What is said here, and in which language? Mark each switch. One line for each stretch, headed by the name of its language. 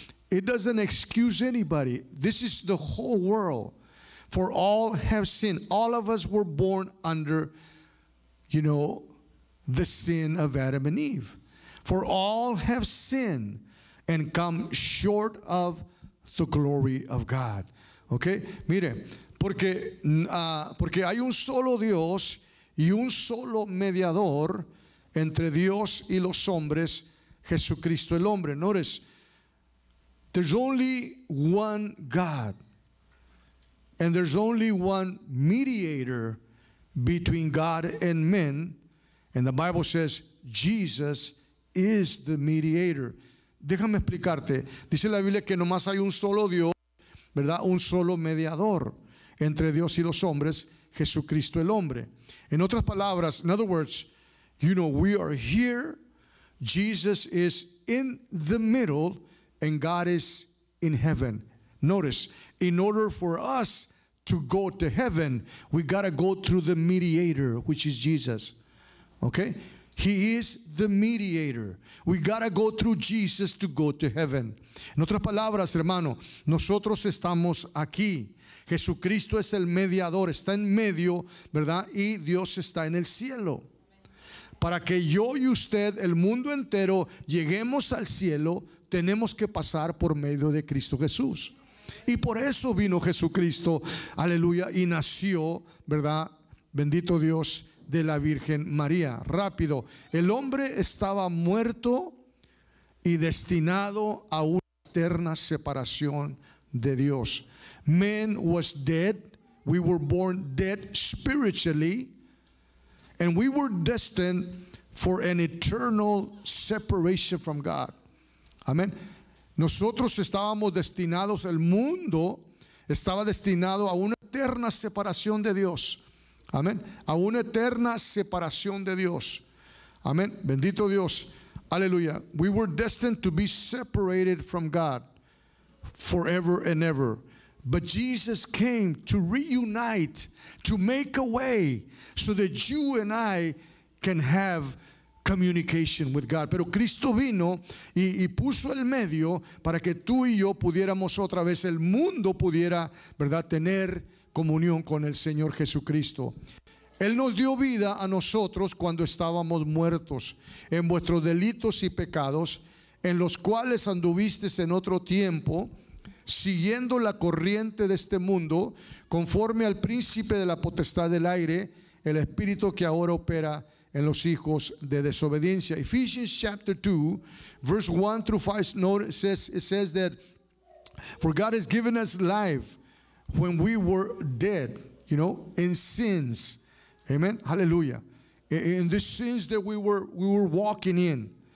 English: It doesn't excuse anybody. This is the whole world. For all have sinned. All of us were born under, you know, the sin of Adam and Eve. For all have sinned and come short of the glory of God. Okay?
Spanish: Mire, porque hay un solo Dios y un solo mediador entre Dios y los hombres, Jesucristo el hombre.
English: Notice, there's only one God. And there's only one mediator between God and men. And the Bible says, Jesus is the mediator.
Spanish: Déjame explicarte. Dice la Biblia que nomás hay un solo Dios, ¿verdad? Un solo mediador entre Dios y los hombres, Jesucristo el hombre. En otras palabras,
English: in other words, you know, we are here. Jesus is in the middle and God is in heaven. Notice, in order for us to go to heaven, we gotta go through the mediator, which is Jesus. Okay? He is the mediator. We gotta go through Jesus to go to heaven.
Spanish: En otras palabras, hermano, nosotros estamos aquí. Jesucristo es el mediador, está en medio, ¿verdad? Y Dios está en el cielo. Para que yo y usted, el mundo entero, lleguemos al cielo, tenemos que pasar por medio de Cristo Jesús. Y por eso vino Jesucristo, aleluya, y nació, ¿verdad? Bendito Dios, de la Virgen María. Rápido, el hombre estaba muerto y destinado a una eterna separación de Dios.
English: Man was dead, we were born dead spiritually, and we were destined for an eternal separation from God.
Spanish: Amén. Nosotros estábamos destinados, el mundo estaba destinado a una eterna separación de Dios. Amén. A una eterna separación de Dios. Amén. Bendito Dios. Aleluya.
English: We were destined to be separated from God forever and ever. But Jesus came to reunite, to make a way so that you and I can have communication with God.
Spanish: Pero Cristo vino y puso el medio para que tú y yo pudiéramos otra vez, el mundo pudiera, ¿verdad?, tener comunión con el Señor Jesucristo. Él nos dio vida a nosotros cuando estábamos muertos en vuestros delitos y pecados, en los cuales anduvisteis en otro tiempo, siguiendo la corriente de este mundo, conforme al príncipe de la potestad del aire, el espíritu que ahora opera en los hijos de desobediencia.
English: Ephesians chapter 2, verse 1 through 5, it says that for God has given us life when we were dead, you know, in sins. Amen. Hallelujah. In the sins that we were walking in.